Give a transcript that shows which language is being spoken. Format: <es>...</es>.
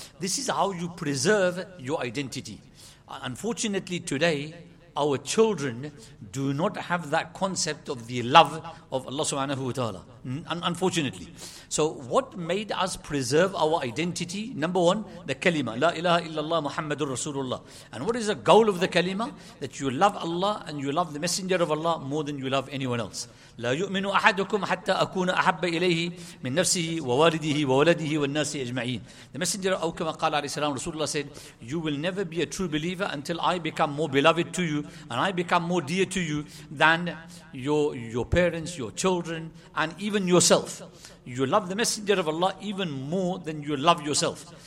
<en>This is how you preserve your identity. Unfortunately today, our children do not have that concept of the love of Allah subhanahu wa ta'ala, unfortunately. So what made us preserve our identity? Number one, the kalima,</en> <ar>la ilaha illallah Muhammadur Rasulullah.</ar> <en>And what is the goal of the kalima? That you love Allah and you love the messenger of Allah more than you love anyone else.</en> <ar>لا يؤمن أحدكم حتى أكون أحب إليه من نفسه ووالده وولده والناس أجمعين.</ar> <en>The messenger,</en> <ar>أو كما قال عليه السلام,</ar> <en>Rasulullah said, you will never be a true believer until I become more beloved to you and I become more dear to you than your parents, your children, and even yourself. You love the messenger of Allah even more than you love yourself.</en>